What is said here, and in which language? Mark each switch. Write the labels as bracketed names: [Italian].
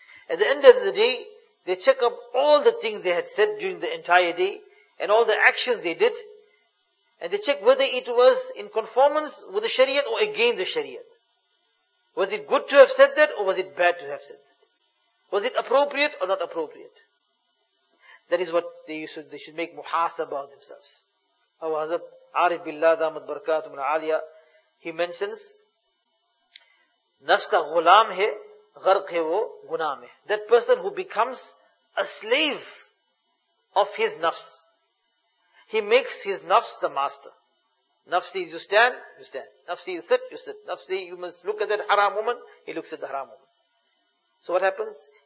[English] At the end of the day, they check up all the things they had said during the entire day, and all the actions they did, and they check whether it was in conformance with the Sharia or against the Sharia. Was it good to have said that, or was it bad to have said that? Was it appropriate or not appropriate? That is what they should make muhasabah of themselves. Our Hazrat Arif Billah Damat Barakatum Al-Aliya, he mentions, [Urdu] نفس کا غلام ہے غرق ہے وہ گناہ میں. [English] That person who becomes a slave of his nafs, he makes his nafs the master. Nafsi, you stand, you stand. Nafsi, you sit, you sit. Nafsi, you must look at that haram woman, he looks at the haram woman. So what happens?